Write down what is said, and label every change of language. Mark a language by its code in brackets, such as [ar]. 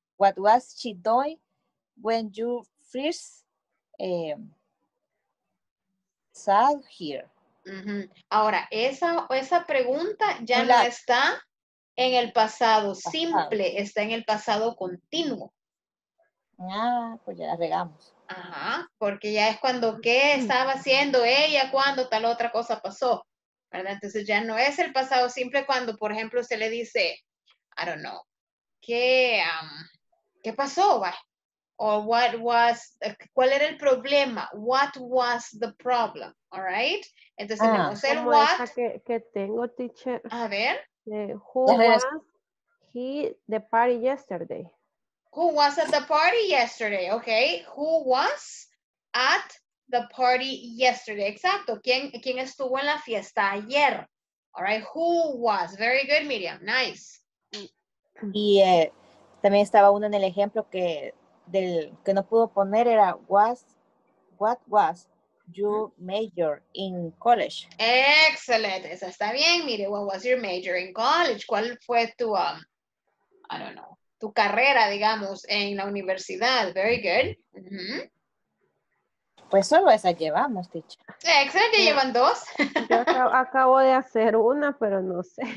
[en] What was she doing when you first sat here. Uh-huh. [es] Ahora, esa pregunta ya no está en el pasado simple, está en el pasado continuo. Ah, pues ya la regamos. Ajá, porque ya es cuando qué estaba haciendo ella cuando tal otra cosa pasó, ¿verdad? Entonces ya no es el pasado simple cuando, por ejemplo, se le dice, [en] I don't know, [es] ¿qué pasó, va? [en] O what was, [es] ¿cuál era el problema? [en] What was the problem? All right? [es] Entonces tenemos el what. Que tengo, teacher. A ver. [en] Who was he the party yesterday? Who was at the party yesterday? Okay. Who was at the party yesterday? Exacto. [es] ¿Quién estuvo en la fiesta ayer? [en] All right. Who was? Very good, Miriam. Nice. [es] Y también estaba uno en el ejemplo que... del que no pudo poner era [en] what was your major in college. Excellent, [es] esa está bien. Mire, [en] what was your major in college? [es] ¿Cuál fue tu tu carrera, digamos, en la universidad? [en] Very good. Mm-hmm. [es] Pues solo esa llevamos, teacher. [en] Excellent, [es] ya llevan dos. Yo acabo de hacer una, pero no sé.